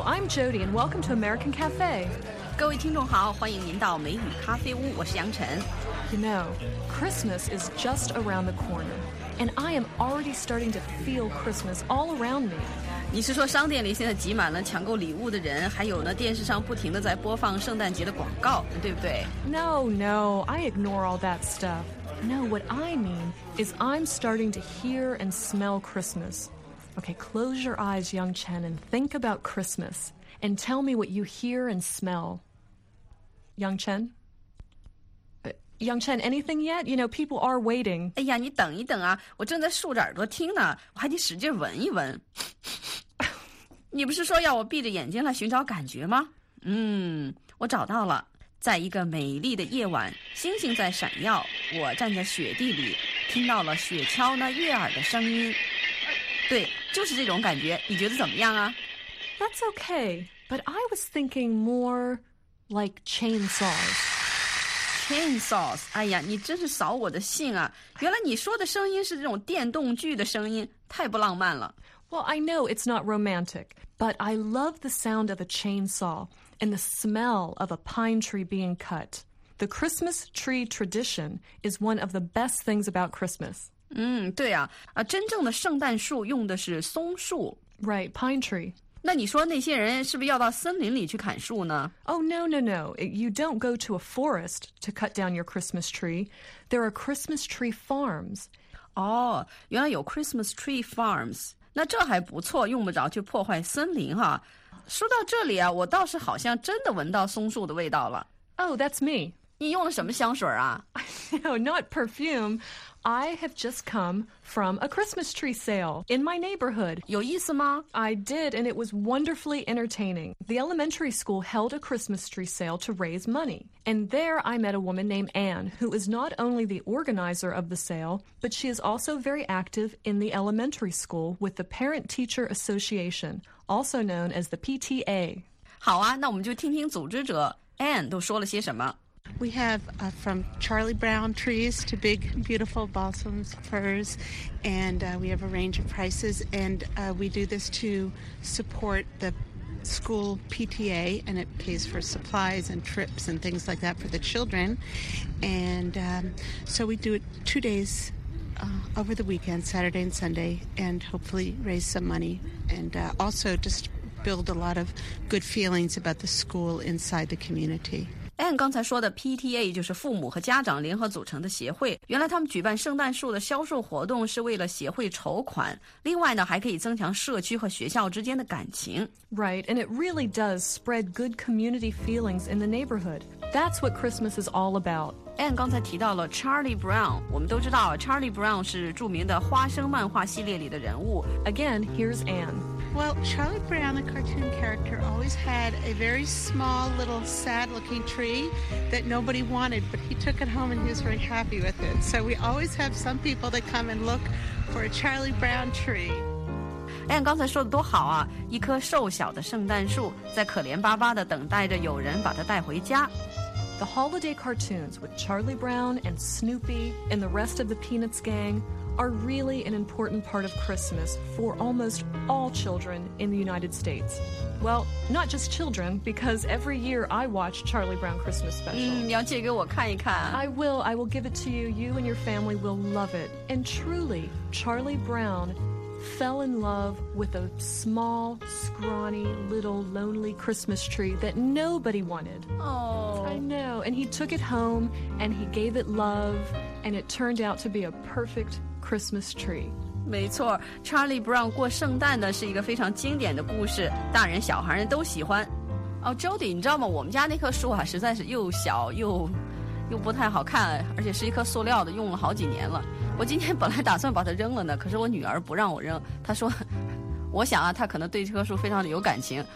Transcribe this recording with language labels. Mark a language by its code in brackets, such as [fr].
[en] Jody, and welcome to American Cafe. [zh] 各位听众好，欢迎您到美语咖啡屋，我是杨晨。 [en] You know, Christmas is just around the corner, and I am already starting to feel Christmas all around me. [zh] 你是说商店里现在挤满了抢购礼物的人，还有呢，电视上不停地在播放圣诞节的广告，对不对？ [en] No, no, I ignore all that stuff. No, what I mean is I'm starting to hear and smell Christmas. Okay, close your eyes, Yang Chen, and think about Christmas. And tell me what you hear and smell. Yang Chen? Yang Chen, anything yet? You know, people are waiting. [zh] 哎呀，你等一等啊，我正在竖着耳朵听呢，我还得使劲闻一闻。你不是说要我闭着眼睛来寻找感觉吗？我找到了。在一个美丽的夜晚，星星在闪耀，我站在雪地里，听到了雪橇那悦耳的声音。对，就是这种感觉，你觉得怎么样啊？ [en] That's okay, but I was thinking more like chainsaws. [zh] Chainsaws, 哎呀，你真是扫我的兴啊！原来你说的声音是这种电动锯的声音，太不浪漫了。 [en] Well, I know it's not romantic, but I love the sound of a chainsaw and the smell of a pine tree being cut. The Christmas tree tradition is one of the best things about Christmas. [zh] 对啊，真正的圣诞树用的是松树。 [en] Right, pine tree. [zh] 那你说那些人是不是要到森林里去砍树呢 [en] ？Oh no no no! You don't go to a forest to cut down your Christmas tree. There are Christmas tree farms. [zh] 哦，原来有 Christmas tree farms. 那这还不错，用不着去破坏森林哈。说到这里啊，我倒是好像真的闻到松树的味道了。 [en] Oh, that's me. [zh] 你用了什么香水啊 [en] ？No, not perfume. I have just come from a Christmas tree sale in my neighborhood. [zh] 有意思吗? [en] I did, and it was wonderfully entertaining. The elementary school held a Christmas tree sale to raise money. And there I met a woman named Anne, who is not only the organizer of the sale, but she is also very active in the elementary school with the Parent Teacher Association, also known as the PTA. [zh] 好啊,那我们就听听组织者 Anne 都说了些什么。 [en] We have from Charlie Brown trees to big, beautiful balsams, firs, and we have a range of prices. And we do this to support the school PTA, and it pays for supplies and trips and things like that for the children. And so we do it 2 days over the weekend, Saturday and Sunday, and hopefully raise some money. And also just build a lot of good feelings about the school inside the community. [zh] Anne 刚才说的 PTA 就是父母和家长联合组成的协会，原来他们举办圣诞树的销售活动是为了协会筹款，另外呢还可以增强社区和学校之间的感情。 [en] Right, and it really does spread good community feelings in the neighborhood. That's what Christmas is all about. [zh] Anne 刚才提到了 Charlie Brown, 我们都知道 Charlie Brown 是著名的花生漫画系列里的人物。 [en] Again, here's Anne Well, Charlie Brown, the cartoon character, always had a very small, little, sad-looking tree that nobody wanted, but he took it home and he was very happy with it. So we always have some people that come and look for a Charlie Brown tree. [zh] Anne 刚才说的多好啊，一棵瘦小的圣诞树在可怜巴巴地等待着有人把它带回家。 [en] The holiday cartoons with Charlie Brown and Snoopy and the rest of the Peanuts gang... are really an important part of Christmas for almost all children in the United States. Well, not just children, because every year I watch Charlie Brown Christmas Special. [zh] 你要借给我看一看。 [en] I will give it to you. You and your family will love it. And truly, Charlie Brown fell in love with a small, scrawny, little, lonely Christmas tree that nobody wanted. Oh. I know. And he took it home, and he gave it love, and it turned out to be a perfect... Christmas tree. [zh] 没错 ,Charlie Brown 过圣诞呢是一个非常经典的故事，大人小孩人都喜欢。哦 ,Jody, 你知道吗，我们家那棵树啊实在是又小又不太好看，而且是一棵塑料的，用了好几年了。我今天本来打算把它扔了呢，可是我女儿不让我扔，她说我想啊她可能对这棵树非常的有感情。